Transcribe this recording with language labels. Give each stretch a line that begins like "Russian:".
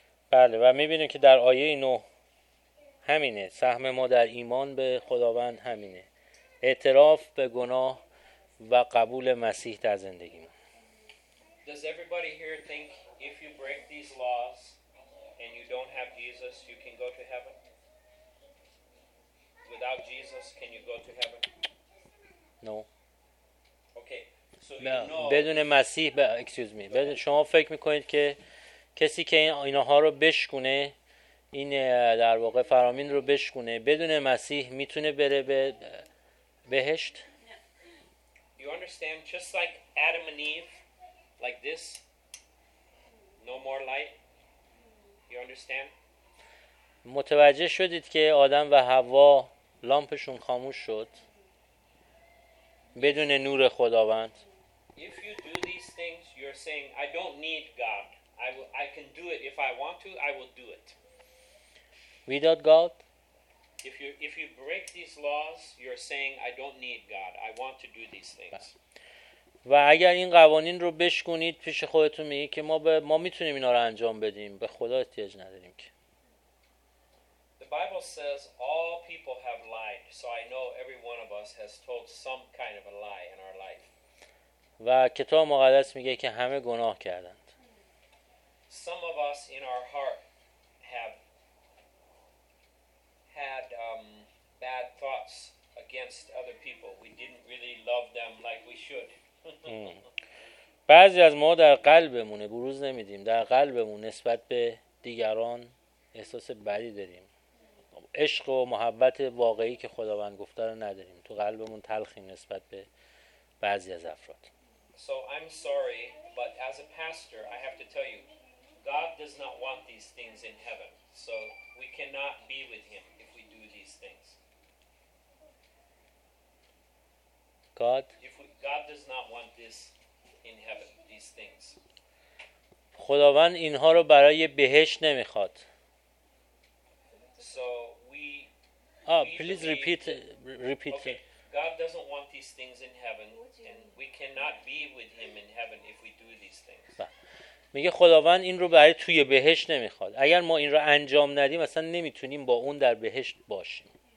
Persian: بله و میبینیم که در آیه 9 همینه. سهم ما در ایمان به خداوند همینه. اعتراف به گناه و قبول مسیح در زندگی ما.
English: Does everybody here think if you break these laws and you don't have Jesus, you can go to heaven? Without Jesus, can you go to heaven? No. Okay. So you know.
Persian: بدون مسیح شما فکر میکنید که کسی که اینها رو بشکونه، این در واقع فرامین رو بشکونه، بدون مسیح میتونه بره به بهشت؟
English: You understand, just like Adam and Eve, like this, no more light. You understand?
Persian: متوجه شدید که آدم و حوا لامپشون خاموش شد بدون نور خداوند.
English: If you do these things, you're saying I don't need God. I can do it if I want to. I will do it. Without God? If you break these laws, you're saying I don't need God. I want to do these things.
Persian: و اگر این قوانین رو بشکنید پیش خودتون میگی که ما میتونیم اینا رو انجام بدیم، به خدا احتیاج نداریم که.
English: The Bible says all people have lied, so I know every one of us has told some kind of a lie in our life.
Persian: و کتاب مقدس میگه که همه گناه کردند.
English: Some of us in our heart have had bad thoughts against other people. We didn't really love them like we should.
Persian: بعضی از ما در قلبمونه بروز نمیدیم، در قلبمون نسبت به دیگران احساس بدی داریم، عشق و محبت واقعی که خداوند گفته رو نداریم، تو قلبمون تلخیم نسبت به بعضی از افراد.
English: So I'm sorry, but as a pastor I have to tell you God does not want these things in heaven, so we cannot be with him if we do these things. God does not want this in heaven, these things.
Persian: خداوند اینها رو برای بهشت نمیخواد.
English: So we please repeat. Okay. God doesn't want these things in heaven and we cannot be with him in heaven if we do these things.
Persian: میگه خداوند این رو برای توی بهشت نمیخواد. اگر ما این رو انجام ندیم اصلا نمیتونیم با اون در بهشت باشیم.